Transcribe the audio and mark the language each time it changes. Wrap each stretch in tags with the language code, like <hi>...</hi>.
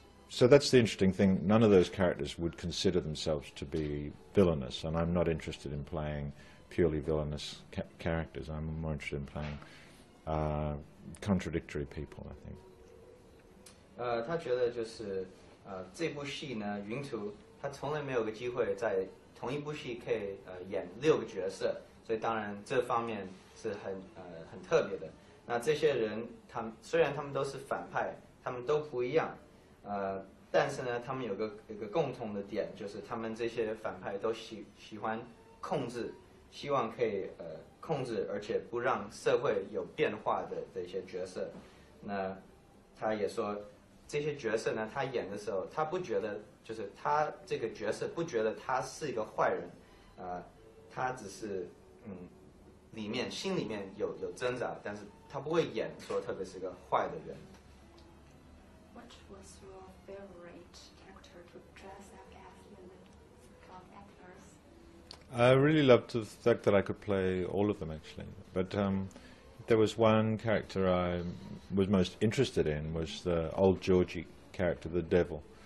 <en>So that's the interesting thing. None of those characters would consider themselves to be villainous, and I'm not interested in playing purely villainous characters. I'm more interested in playing contradictory people, I think.</en> <zh>他觉得就是这部戏呢, 云图, 他从来没有个机会在同一部戏可以演六个角色, 所以当然这方面是很特别的。那这些人, 虽然他们都是反派, 他们都不一样, 但是呢,他们有个共同的点, 就是他们这些反派都喜欢控制, 希望可以控制, 而且不让社会有变化的这些角色。那他也说, 这些角色呢, 他演的时候, 他不觉得, 就是他这个角色, 不觉得他是一个坏人, 他只是, 里面, 心里面有挣扎, 但是, 他不会演说特别是个坏的人。</zh> <en>What was your favorite character to dress up as in the actors? I really loved the fact that I could play all of them, actually. But there was one character I was most interested in, was the old Georgie character, the devil.</en>